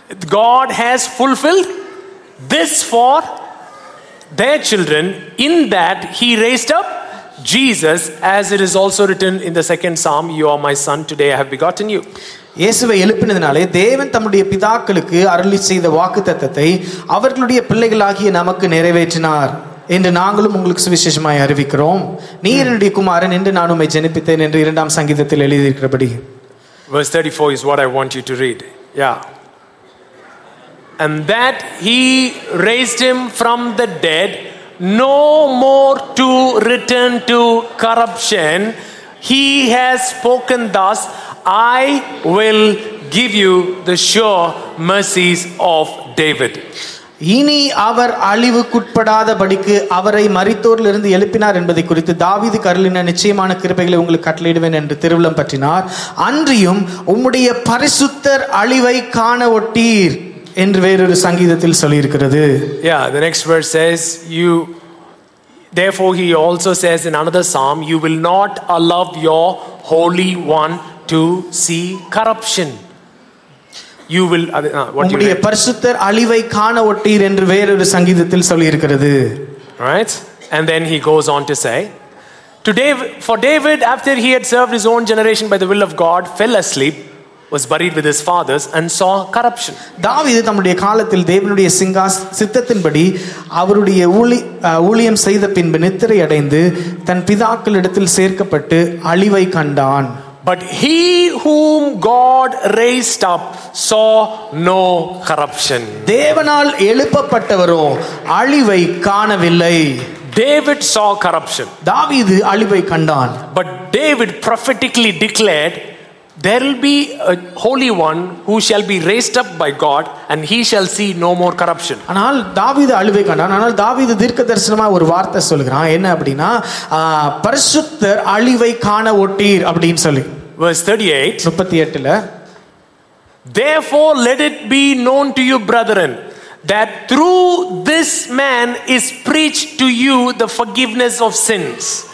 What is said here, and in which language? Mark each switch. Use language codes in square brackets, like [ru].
[en] God has fulfilled this for their children in that he raised up Jesus, as it is also written in the second psalm, you are my son, today I have begotten you. [ta] இயேசுவை எழுப்பினதினாலே தேவன் தம்முடைய பிதாக்களுக்கு அருளி செய்த வாக்குத்தத்தத்தை அவர்களுடைய பிள்ளைகளாகிய நமக்கு நிறைவேற்றினார் என்று நாங்களும் உங்களுக்கு சுவிசேஷமாய் அறிவிக்கிறோம். நீரனுடைய குமாரன் என்று நான் உம்மை ஜெனிப்பித்தேன் என்று இரண்டாம் சங்கீதத்தில் எழுதியிருக்கிறபடி. [en] Verse 34 is what I want you to read. Yeah. And that he raised him from the dead, no more to return to corruption. He has spoken thus, I will give you the sure mercies of David. [ta] இனி அவர் அழிவுக்குட்படாத படிக்கு அவரை மரித்தோரில் இருந்து எழுப்பினார் என்பதை குறித்து தாவீது கருளின நிச்சயமான கிருபைகளை உங்களுக்கு கட்டளையிடுவேன் என்று திருவிழம் பற்றினார். அன்றியும் உம்முடைய பரிசுத்தர் அழிவை காண ஒட்டீர் என்று வேறொரு சங்கீதத்தில் சொல்லியிருக்கிறது. [en] Yeah, the next verse says, you, therefore he also says in another psalm, you will not allow your holy one to see corruption. You will [ta] உம்முடைய பரிசுத்தர் அழிவை காண ஒட்டீர் என்று வேறொரு சங்கீதத்தில் சொல்லியிருக்கிறது. [en] Right, and then he goes on to say, today for David, after he had served his own generation by the will of God, fell asleep, was buried with his fathers and saw corruption. [ta] தாவீது தம்முடைய காலத்தில் தேவனுடைய சித்தத்தின்படி அவருடைய ஊழியம் செய்த பின்பு நித்திரை அடைந்து தன் பிதாக்களிடத்தில் சேர்க்கப்பட்டு அழிவை கண்டான். [en] But he whom God raised up saw no corruption. [ta] தேவனால் எழுப்பப்பட்டவரோ அழிவை காணவில்லை. [en] David saw corruption. [ta] தாவீது அழிவை கண்டான். [en] But David prophetically declared, there will be a holy one who shall be raised up by God and he shall see no more corruption. [ta] ஆனால் தாவீது அழிவை கண்டான். ஆனால் தாவீது தீர்க்கதரிசனமா ஒரு வார்த்தை சொல்கிறான். என்ன அப்படினா, பரிசுத்தர் அழிவை காண ஒட்டீர் அப்படினு சொல்லி. [en] Verse 38 Therefore let it be known to you brethren that through this man is preached to you the forgiveness of sins.